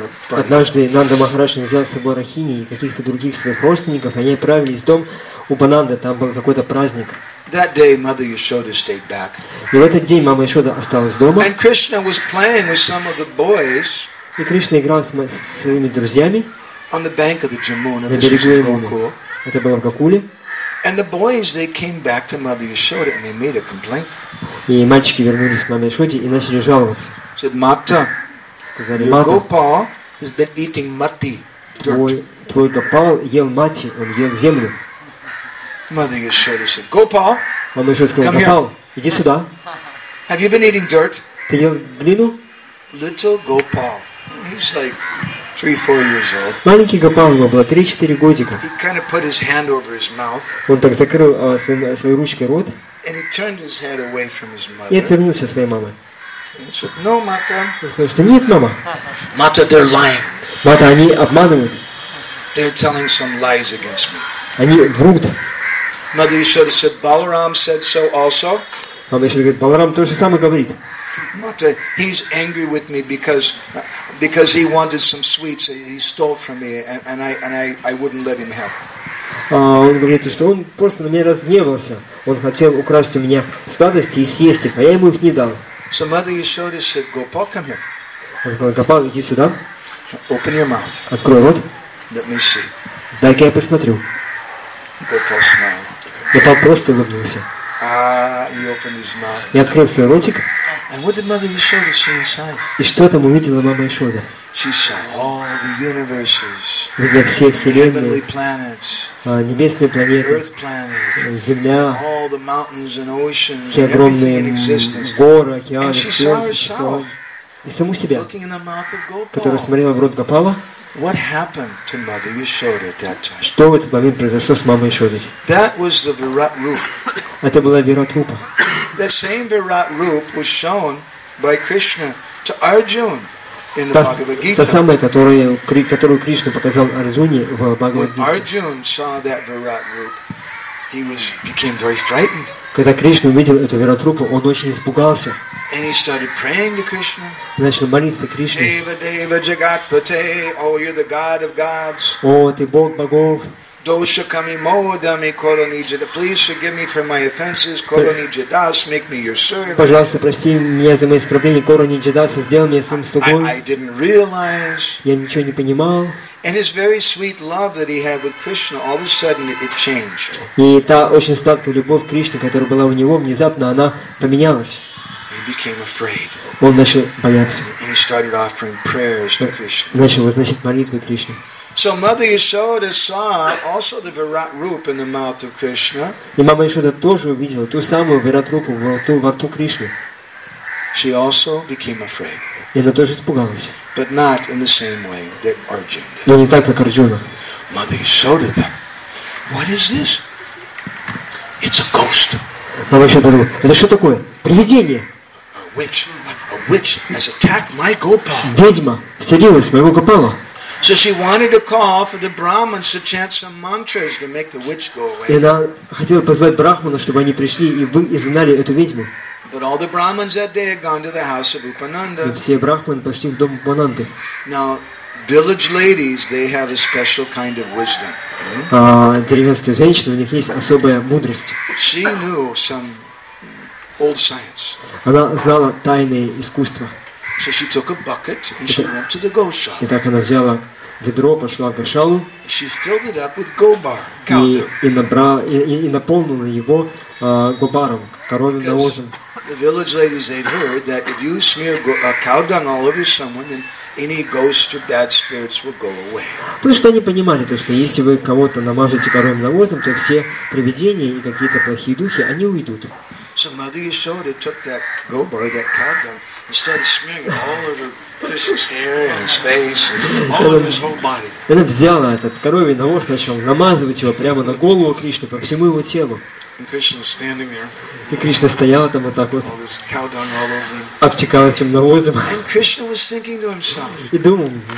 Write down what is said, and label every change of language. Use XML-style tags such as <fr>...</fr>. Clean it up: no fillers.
<ru>Однажды Нанда Махарадж взял с собой Рахини и каких-то других своих родственников, они отправились в дом Упананды, там был какой-то праздник.</ru> <en>That day, Mother Yashoda stayed back.</en> <ru>И в этот день мама Яшода осталась дома.</ru> <en>And Krishna was playing with some of the boys.</en> <ru>И Кришна играл с своими друзьями.</ru> <en>On the bank of the Jamuna.</en> <ru>На берегу Ямуны. Это было в Гокуле.</ru> <en>And the boys, they came back to Mother Yashoda and they made a complaint.</en> <ru>И мальчики вернулись к маме Яшоде и начали жаловаться.</ru> <en>Said Mata.</en> <ru>Сказали,</ru> <en>your Gopal has been eating mati.</en> <ru>Твой Гопал ел мати, он ел землю.</ru> <en>Mother Yashoda said, Gopal, come here.</en> <ru>Гопал, иди сюда.</ru> <en>Have you been eating dirt?</en> <ru>Ты ел глину?</ru> <en>Little Gopal, he's like 3-4 years old.</en> <ru>Маленький Гопал, ему было 3-4 годика.</ru> <en>He kind of put his hand over his mouth.</en> <ru>Он так закрыл своей ручкой рот.</ru> <en>And he turned his head away from his mother.</en> <ru>И отвернулся от своей мамы.</ru> <en>No, Mata.</en> <ru>Что нет, мама.</ru> <en>Mata, they're lying.</en> <ru>Mata, они обманывают.</ru> <en>They're telling some lies against me.</en> <ru>Они врут.</ru> <en>Mother Yashoda said, Balaram said so also.</en> <ru>Мама Яшода говорит, Баларам то же самое говорит.</ru> <en>Mata, he's angry with me because he wanted some sweets he stole from me and I wouldn't let him have.</en> <ru>Он говорит, что он просто на меня разгневался. Он хотел украсть у меня сладости и съесть их, а я ему их не дал.</ru> <en>So Mother Yashoda said, Gopal, come here.</en> <ru>Он сказал, Гопал, иди сюда.</ru> <en>Open your mouth.</en> <ru>Открой рот.</ru> <en>Let me see.</en> <ru>Дай-ка я посмотрю.</ru> <en>Gopal smiled.</en> <ru>Гопал просто улыбнулся.</ru> <en>He opened his mouth.</en> <ru>И открыл свой ротик.</ru> <en>And what did Mother Yashoda see inside?</en> <ru>И что там увидела мама Яшода?</ru> <en>She saw all the universes.</en> <ru>Видела все вселенные.</ru> <en>Heavenly planets.</en> <ru>Небесные планеты.</ru> <en>Earth planets.</en> <ru>Земля.</ru> <en>All the mountains and oceans.</en> <ru>Все огромные горы, океаны.</ru> <en>And she saw herself.</en> <ru>И саму себя.</ru> <en>Looking in the mouth of Gopala.</en> <ru>Которая смотрела в рот Гопала.</ru> <en>What happened to Mother Yashoda at that time?</en> <ru>Что в этот момент произошло с мамой Яшодой?</ru> <en>That was the Virat Rupa.</en> <ru>Это была Вират Рупа.</ru> <en>The same Virat Rupa was shown by Krishna to Arjuna in the Bhagavad Gita.</en> <ru>Та самая, которую Кришна показал Арджуне в Бхагавад Гите.</ru> <en>When Arjuna saw that Virat Rupa, he became very frightened.</en> <ru>Когда Кришна увидел эту Вират Рупу, он очень испугался.</ru> <en>And he started praying to Krishna.</en> <ru>Начал молиться Кришне.</ru> <sa>Deva Deva Jagatpate,</sa> <en>oh, you're the God of gods.</en> <ru>О, ты Бог богов.</ru> <sa>Dosha kami mohadami koloni jada.</sa> <en>Please forgive me for my offenses,</en> <sa>koloni jadas.</sa> <en>Make me your servant.</en> <ru>Пожалуйста, прости меня за мои оскорбления,</ru> <sa>koloni jadas.</sa> <ru>Сделай меня своим слугой.</ru> <en>I didn't realize.</en> <ru>Я ничего не понимал.</ru> <en>And his very sweet love that he had with Krishna, all of a sudden it changed.</en> <ru>И та очень сладкая любовь Кришны, которая была у него, внезапно она поменялась.</ru> <en>Became afraid.</en> <ru>Он начал бояться.</ru> <en>And he started offering prayers to Krishna.</en> <ru>Начал возносить молитвы Кришне.</ru> <en>So Mother Yashoda saw also the Virat Rupa in the mouth of Krishna.</en> <ru>И мама Яшода тоже увидела ту самую Вират Рупу во рту Кришны.</ru> <en>She also became afraid.</en> <ru>И она тоже испугалась.</ru> <en>But not in the same way that Arjuna did.</en> <ru>Но не так, как Арджуна.</ru> <en>Mother Yashoda thought, "What is this? It's a ghost."</en> <ru>Мама Яшода думала, это что такое? Привидение.</ru> <en>A witch has attacked my Gopal.</en> <ru>Ведьма вселилась в моего Гопала.</ru> <en>So she wanted to call for the Brahmins to chant some mantras to make the witch go away.</en> <ru>И она хотела позвать Брахмана, чтобы они пришли и изгнали эту ведьму.</ru> <en>But all the Brahmins that day had gone to the house of Upananda.</en> <ru>Все Брахманы пошли в дом Упананды.</ru> <en>Now, village ladies, they have a special kind of wisdom.</en> <ru>Деревенские женщины, у них есть особая мудрость.</ru> <en>She knew some old science.</en> <ru>Она знала тайные искусства.</ru> <en>So she took a bucket and she went to the goshala.</en> <ru>И так она взяла ведро, пошла в гошалу.</ru> <en>She filled it up with gobar, cow dung.</en> <ru>И наполнила его гобаром, коровьим навозом.</ru> <en>The village ladies had heard that if you smear cow dung all over someone, then any ghost or bad spirits will go away.</en> <ru>Потому что они понимали то, что если вы кого-то намажете коровьим навозом, то все привидения и какие-то плохие духи, они уйдут.</ru> <en>So Mother Yashoda took that gobar, that cow dung, and started smearing it all over Krishna's hair and his face, all over his whole body.</en> <ru>Она взяла этот коровий навоз, начала намазывать его прямо на голову Кришны, по всему его телу.</ru> <en>And Krishna was standing there.</en> <ru>И Кришна стояла там вот так вот,</ru> <en>all this cow dung all over him.</en> <ru>Обтекала этим навозом.</ru> <en>And Krishna was thinking to himself.</en> <ru>И думал.</ru>